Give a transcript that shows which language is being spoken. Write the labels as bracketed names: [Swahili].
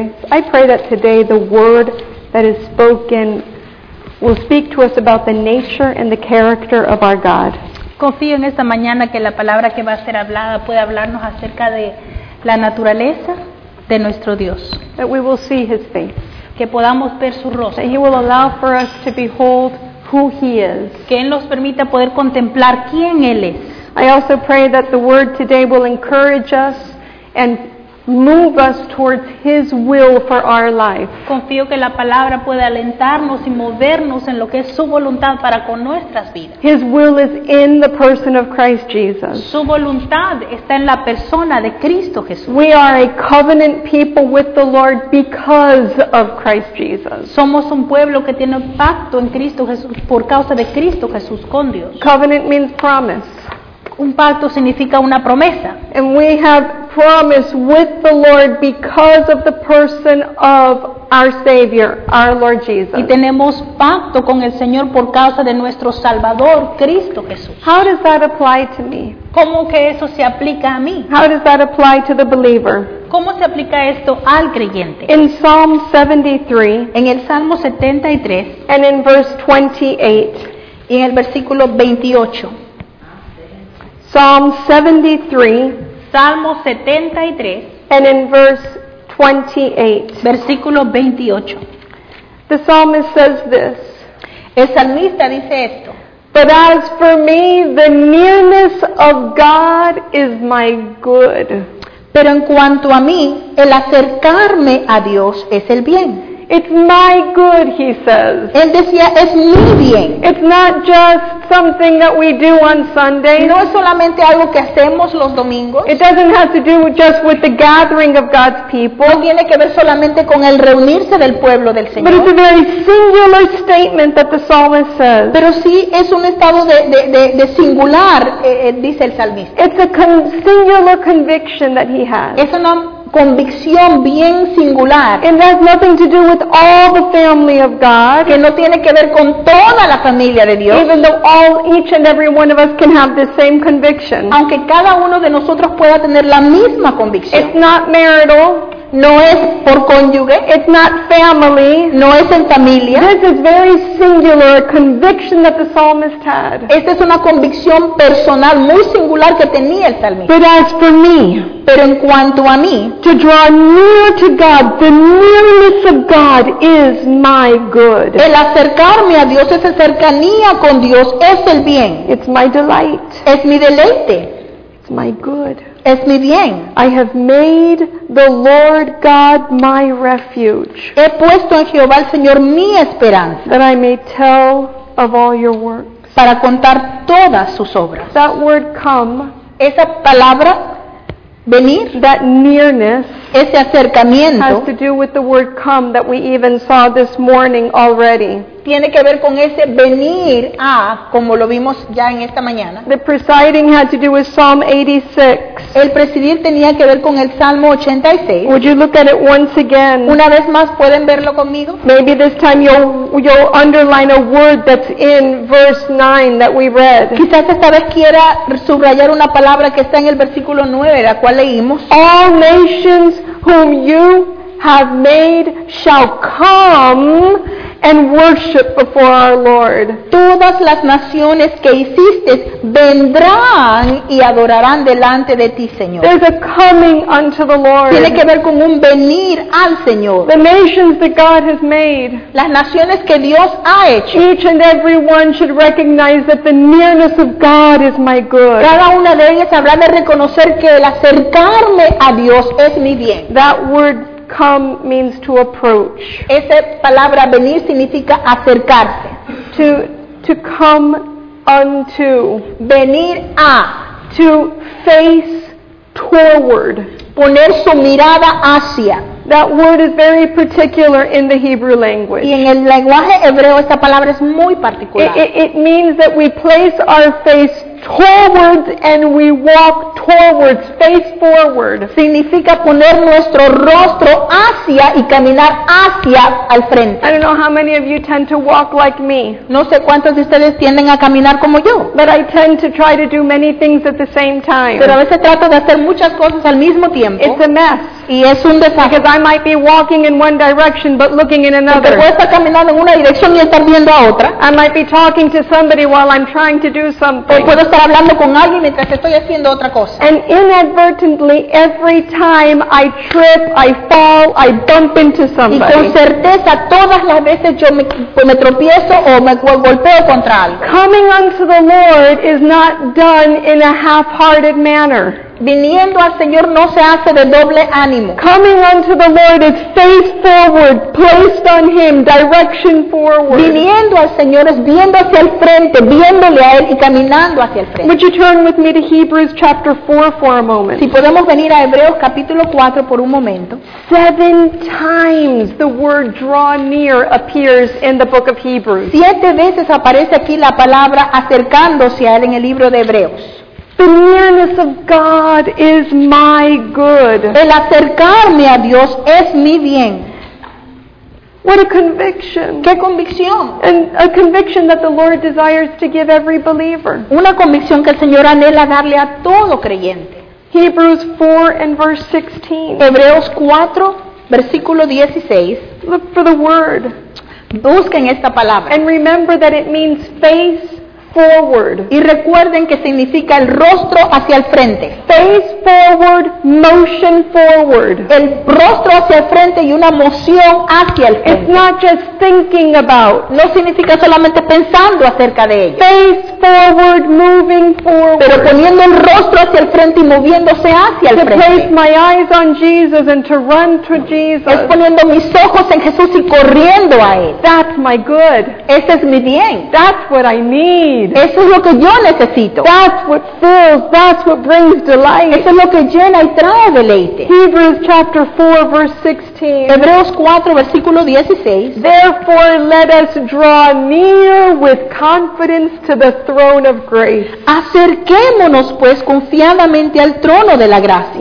[English] I pray that today the word that is spoken will speak to us about the nature and the character of our God. [Spanish] Confío en esta mañana que la palabra que va a ser hablada puede hablarnos acerca de la naturaleza de nuestro Dios. [English] That we will see his face. [Spanish] Que podamos ver su rostro. [English] That he will allow for us to behold who he is. [Spanish] Que él nos permita poder contemplar quién él es. [English] I also pray that the word today will encourage us and move us towards his will for our life. [Spanish] Confío que la palabra puede alentarnos y movernos en lo que es su voluntad para con nuestras vidas. [English] His will is in the person of Christ Jesus. [Spanish] Su voluntad está en la persona de Cristo Jesús. [English] We are a covenant people with the Lord because of Christ Jesus. [Spanish] Somos un pueblo que tiene pacto en Cristo Jesús por causa de Cristo Jesús con Dios. [English] Covenant means promise. [Spanish] Un pacto significa una promesa. [English] And we have promise with the Lord because of the person of our Savior, our Lord Jesus. [Spanish] Y tenemos pacto con el Señor por causa de nuestro Salvador, Cristo Jesús. [English] How does that apply to me? [Spanish] ¿Cómo que eso se aplica a mí? [English] How does that apply to the believer? [Spanish] ¿Cómo se aplica esto al creyente? [English] In Psalm 73, [Spanish] en el Salmo 73, [English] and in verse 28, [Spanish] y en el versículo 28. [English] Psalm 73, [Spanish] Salmo 73, [English] and in verse 28, [Spanish] versículo 28, [English] the psalmist says this, [Spanish] el salmista dice esto, [English] but as for me, the nearness of God is my good. [Spanish] Pero en cuanto a mí, el acercarme a Dios es el bien. [English] It's my good, he says. [Spanish] Él decía, es mi bien. [English] It's not just something that we do on Sunday. [Spanish] No es solamente algo que hacemos los domingos. [English] It doesn't have to do just with the gathering of God's people. [Spanish] No tiene que ver solamente con el reunirse del pueblo del Señor. [English] But it's a very singular statement that the psalmist says. [Spanish] Pero sí es un estado de singular, dice el salmista. [English] It's a singular conviction that he has. [Spanish] Es una convicción bien singular. [English] And has nothing to do with all the family of God. [Spanish] Que no tiene que ver con toda la familia de Dios. [English] Even though each and every one of us can have the same conviction. [Spanish] Aunque cada uno de nosotros pueda tener la misma convicción. [English] It's not marital. [Spanish] No es por cónyuge. [English] It's not family. [Spanish] No es en familia. [English] This is very singular conviction that the psalmist had. [Spanish] Esta es una convicción personal muy singular que tenía el salmista. [English] But as for me, [Spanish] pero en cuanto a mí, [English] to draw near to God, the nearness of God is my good. [Spanish] El acercarme a Dios, esa cercanía con Dios, es el bien. [English] It's my delight. [Spanish] Es mi deleite. [English] It's my good. [Spanish] Es mi bien. [English] I have made the Lord God my refuge. [Spanish] He puesto en Jehová el Señor mi esperanza. [English] That I may tell of all your works. [Spanish] Para contar todas sus obras. [English] That word come. [Spanish] Esa palabra venir. [English] That nearness. [Spanish] Ese acercamiento. [English] Has to do with the word come that we even saw this morning already. [Spanish] Tiene que ver con ese venir a, como lo vimos ya en esta mañana. [English] The presiding had to do with Psalm 86. [Spanish] El presidir tenía que ver con el Salmo 86. [English] Would you look at it once again? [Spanish] Una vez más, ¿pueden verlo conmigo? [English] Maybe this time you'll underline a word that's in verse 9 that we read. [Spanish] Quizás esta vez quiera subrayar una palabra que está en el versículo 9, la cual leímos. [English] All nations whom you have made shall come and worship before our Lord. [Spanish] Todas las naciones que hiciste vendrán y adorarán delante de ti, Señor. [English] There's a coming unto the Lord. [Spanish] Tiene que ver con un venir al Señor. [English] The nations that God has made. [Spanish] Las naciones que Dios ha hecho. [English] Each and every one should recognize that the nearness of God is my good. [Spanish] Cada una de ellas habrá de reconocer que el acercarme a Dios es mi bien. [English] That word come means to approach. [Spanish] Esa palabra venir significa acercarse. [English] To come unto. [Spanish] Venir a. [English] To face toward. [Spanish] Poner su mirada hacia. [English] That word is very particular in the Hebrew language. [Spanish] Y en el lenguaje hebreo esta palabra es muy particular. [English] It means that we place our face towards and we walk towards, face forward. [Spanish] Significa poner nuestro rostro hacia y caminar hacia al frente. [English] I don't know how many of you tend to walk like me. [Spanish] No sé cuántos de ustedes tienden a caminar como yo. [English] But I tend to try to do many things at the same time. [Spanish] Pero a veces trato de hacer muchas cosas al mismo tiempo. [English] It's a mess. [Spanish] Y es un desastre. [English] Because I might be walking in one direction but looking in another. [Spanish] Porque puedo estar caminando en una dirección y estar viendo a otra. [English] I might be talking to somebody while I'm trying to do something. [Spanish] Puedo estar hablando con alguien mientras estoy haciendo otra cosa. [English] And inadvertently, every time I trip, I fall, I bump into somebody. [Spanish] Y con certeza, todas las veces yo me tropiezo o me golpeo contra algo. [English] Coming unto the Lord is not done in a half-hearted manner. [Spanish] Viniendo al Señor no se hace de doble ánimo. [English] Coming unto the Lord is face forward, placed on Him, direction forward. [Spanish] Viniendo al Señor es viendo hacia el frente, viéndole a Él y caminando hacia el frente. [English] Would you turn with me to Hebrews chapter 4 for a moment? [Spanish] Si podemos venir a Hebreos capítulo 4 por un momento. [English] 7 times the word draw near appears in the book of Hebrews. [Spanish] 7 veces aparece aquí la palabra acercándose a Él en el libro de Hebreos. [English] The nearness of God is my good. [Spanish] El acercarme a Dios es mi bien. [English] What a conviction. [Spanish] ¿Qué convicción? [English] And a conviction that the Lord desires to give every believer. [Spanish] Una convicción que el Señor anhela darle a todo creyente. [English] Hebrews 4 and verse 16. [Spanish] Hebreos 4, versículo 16. [English] Look for the word. [Spanish] Busquen esta palabra. [English] And remember that it means face forward. [Spanish] Y recuerden que significa el rostro hacia el frente. [English] Face forward, motion forward. [Spanish] El rostro hacia el frente y una moción hacia el frente. [English] It's not just thinking about. [Spanish] No significa solamente pensando acerca de ello. [English] Face forward, moving forward. [Spanish] Pero poniendo el rostro hacia el frente y moviéndose hacia el frente. [English] To place my eyes on Jesus and to run to Jesus. [Spanish] Es poniendo mis ojos en Jesús y corriendo a Él. [English] That's my good. [Spanish] Ese es mi bien. [English] That's what I need. [Spanish] Eso es lo que yo necesito. [English] That's what fills, that's what brings delight. [Spanish] Eso es lo que llena y trae deleite. [English] Hebrews chapter 4 verse 16. [Spanish] Hebreos 4 versículo 16. [English] Therefore let us draw near with confidence to the throne of grace. [Spanish] Acerquémonos pues confiadamente al trono de la gracia.